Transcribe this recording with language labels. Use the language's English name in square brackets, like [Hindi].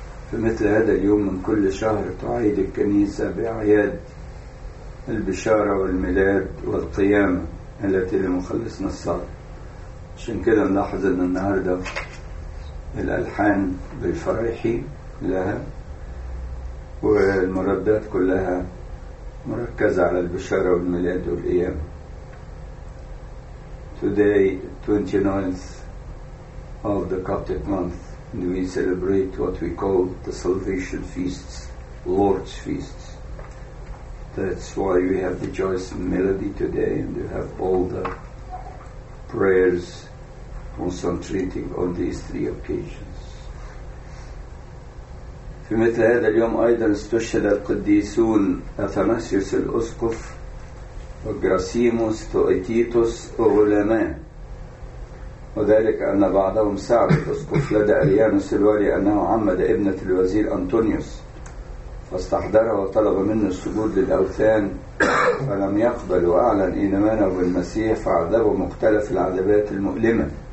[Arabic] في مثل هذا اليوم من كل شهر تعيد الكنيسة بأعياد البشارة والميلاد والقيامة التي لمخلصنا الصالح. عشان كده نلاحظ أن النهاردة الألحان بالفرحي لها والمردات كلها مركزة على البشارة والميلاد والقيامة. [English] Today, 29th of the Coptic month, we celebrate what we call the Salvation Feasts, Lord's Feasts. That's why we have the joyous melody today and we have all the prayers concentrating on these three occasions. [Arabic] في مثل هذا اليوم أيضا استشهد القديسون أثناسيوس الأسقف وجراسيموس توئتيتوس الغلماء، وذلك أن بعضهم ساعد الأسقف لدى أريانوس الوالي أنه عمد ابنة الوزير أنطونيوس فاستحضره وطلب منه السجود للأوثان فلم يقبل وأعلن إيمانه بالمسيح فعذبه مختلف العذابات المؤلمة.